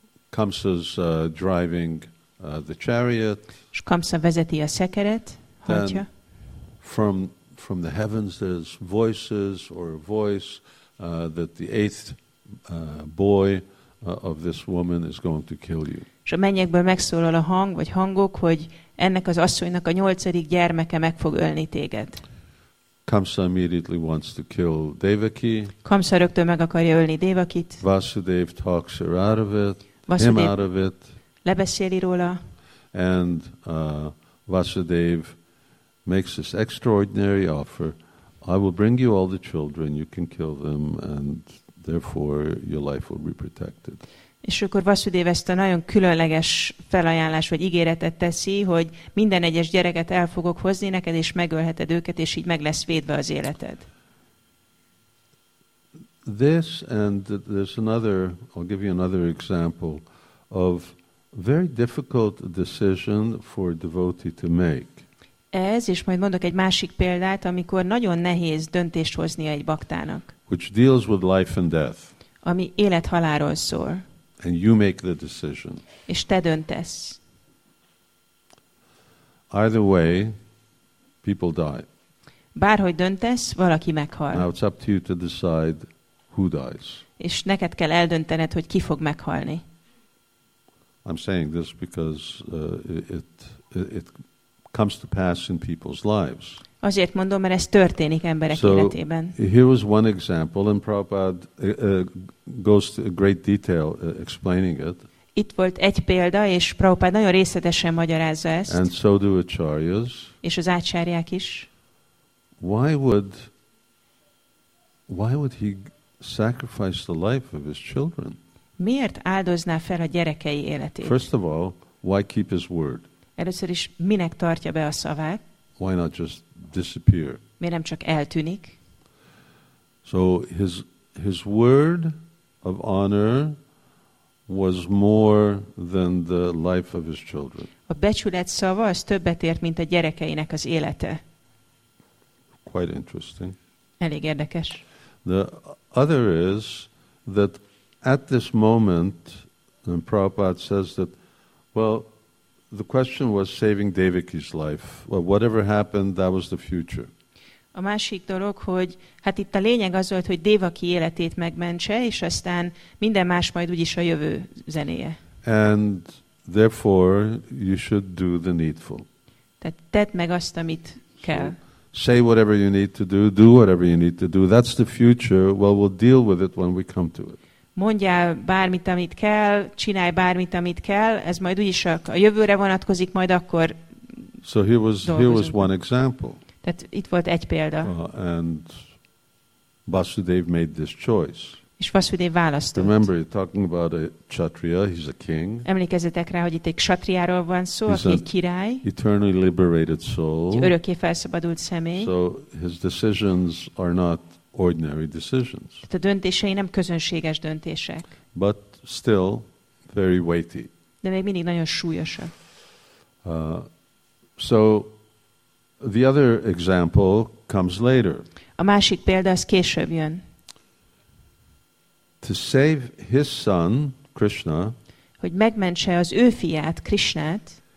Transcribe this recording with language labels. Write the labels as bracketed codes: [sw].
[en] Kamsa's driving the chariot. [hu] És Kamsa vezeti a szekeret, hatja. [en] From the heavens there's voices or a voice that the eighth boy of this woman is going to kill you. [hu] És a mennyekből megszólal a hang, vagy hangok, hogy ennek az asszonynak a nyolcadik gyermeke meg fog ölni téged. [en] Kamsa immediately wants to kill Devaki. [hu] Kamsa rögtön meg akarja ölni Devakit. [en] Vasudev talks her out of it, him out of it. [hu] Lebeszéli róla. [en] And Vasudev makes this extraordinary offer. I will bring you all the children, you can kill them, and therefore your life will be protected. [hu] És akkor Vasudev ezt a nagyon különleges felajánlás vagy ígéretet teszi, hogy minden egyes gyereket el fogok hozni neked, és megölheted őket, és így meg lesz védve az életed. [en] This and there's another, I'll give you another example of very difficult decision for a devotee to make. [hu] Ez, és majd mondok egy másik példát, amikor nagyon nehéz döntést hoznia egy baktának. [en] Which deals with life and death. [hu] Ami élet-halálról szól. [en] And you make the decision. [hu] És te döntesz. [en] Either way, people die. [hu] Bárhogy döntesz, valaki meghal. [en] Now it's up to you to decide who dies. [hu] És neked kell eldöntened, hogy ki fog meghalni. [en] I'm saying this because it comes to pass in people's lives. [hu] Azért mondom, mert ez történik emberek [en] so [hu] életében. [en] Here was one example, and Prabhupada goes to great detail explaining it. [hu] Itt volt egy példa, és Prabhupada nagyon részletesen magyarázza ezt. [en] And so do acharyas. [hu] És az ácsárják is. [en] Why would he sacrifice the life of his children? [hu] Miért áldozná fel a gyerekei életét? [en] First of all, why keep his word? [hu] Először is minek tartja be a szavát? [en] Why not just disappear? [hu] Miért nem csak eltűnik? [en] So his word of honor was more than the life of his children. [hu] A becsület szava az többet ért, mint a gyerekeinek az élete. [en] Quite interesting. [hu] Elég érdekes. [en] The other is that at this moment, and Prabhupada says that, well, the question was saving Devaki's life. Well, whatever happened, that was the future. [hu] A másik dolog, hogy hát itt a lényeg az volt, hogy Devaki életét megmentse, és aztán minden más majd úgyis a jövő zenéje. [en] And therefore, you should do the needful. [hu] Tehát tedd meg azt, amit kell. [en] Say whatever you need to do, do whatever you need to do. That's the future. Well, we'll deal with it when we come to it. [hu] Mondjál bármit, amit kell, csinálj bármit, amit kell, ez majd úgyis a jövőre vonatkozik, majd akkor [en] so here was one example. [hu] Tehát itt volt egy példa. [en] And Vasudev made this choice. [hu] És Vasudev választott. [en] Remember, you're talking about a Kshatriya, he's a king. [hu] Emlékezzetek rá, hogy itt egy Kshatriyáról van szó, [en] he's [hu] aki egy király. [en] Eternally liberated soul. [hu] Egy örökké felszabadult személy. [en] So his decisions are not ordinary decisions. [hu] Tehát a döntései nem közönséges döntések. [en] But still very weighty. [hu] De még mindig nagyon súlyosak. [en] So the other example comes later. [hu] A másik példa az később jön. [en] To save his son Krishna, [hu] hogy megmentse az ő fiát Krishnát,